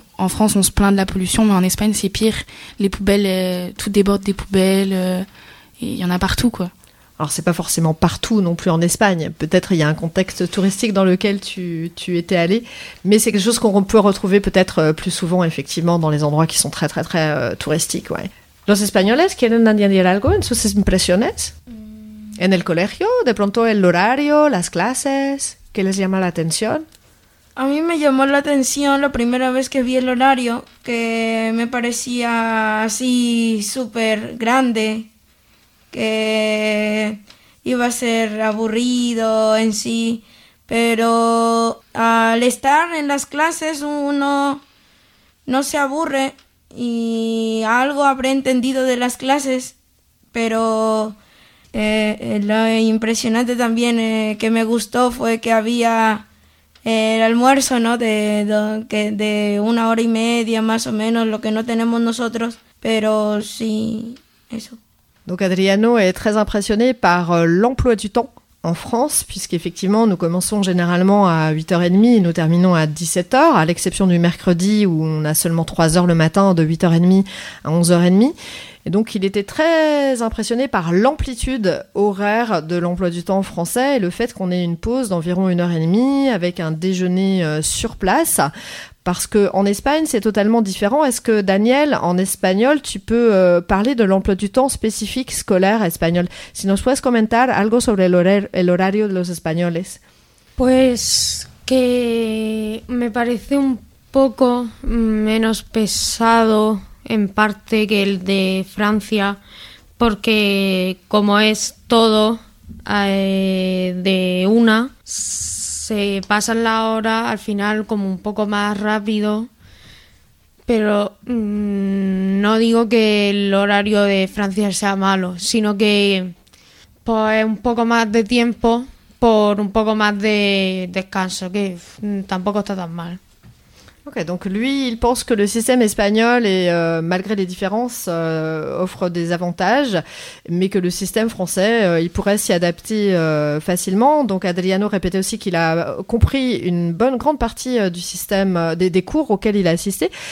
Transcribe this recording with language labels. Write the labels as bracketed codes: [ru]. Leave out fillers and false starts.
[fr] En France, on se plaint de la pollution, mais en Espagne, c'est pire. Les poubelles, tout déborde des poubelles, il y en a partout, quoi. Alors, c'est pas forcément partout non plus en Espagne. Peut-être il y a un contexte touristique dans lequel tu étais allé, mais c'est quelque chose qu'on peut retrouver peut-être plus souvent, effectivement, dans les endroits qui sont très, très, très touristiques, ouais. [es] Los españoles quieren añadir algo en sus impresiones? En el colegio, de pronto el horario, las clases, ¿qué les llama la atención? A mí me llamó la atención la primera vez que vi el horario, que me parecía así súper grande, que iba a ser aburrido en sí, pero al estar en las clases uno no se aburre y algo habré entendido de las clases, pero... lo impresionante también que me gustó fue que había el almuerzo, ¿no? De una hora y media, más o menos, lo que no tenemos nosotros, pero sí, eso. [fr] Donc Adriano est très impressionné par l'emploi du temps en France, puisqu'effectivement, nous commençons généralement à 8h30 et nous terminons à 17h, à l'exception du mercredi où on a seulement 3h le matin de 8h30 à 11h30. Et donc, il était très impressionné par l'amplitude horaire de l'emploi du temps français et le fait qu'on ait une pause d'environ 1h30 avec un déjeuner sur place. Parce que en Espagne, c'est totalement différent. Est-ce que, Daniel, en espagnol, tu peux parler de l'emploi du temps spécifique scolaire espagnol? [es] Si nos puedes comentar algo sobre el horario de los españoles. Pues que me parece un poco menos pesado en parte que el de Francia, porque como es todo de una, se pasa la hora al final como un poco más rápido, pero no digo que el horario de Francia sea malo, sino que pues un poco más de tiempo por un poco más de descanso, que tampoco está tan mal. [fr] Ok, donc lui, il pense que le système espagnol, est, malgré les différences, offre des avantages, mais que le système français, il pourrait s'y adapter facilement. Donc Adriano répétait aussi qu'il a compris une bonne grande partie du système, des cours auxquels il a assisté.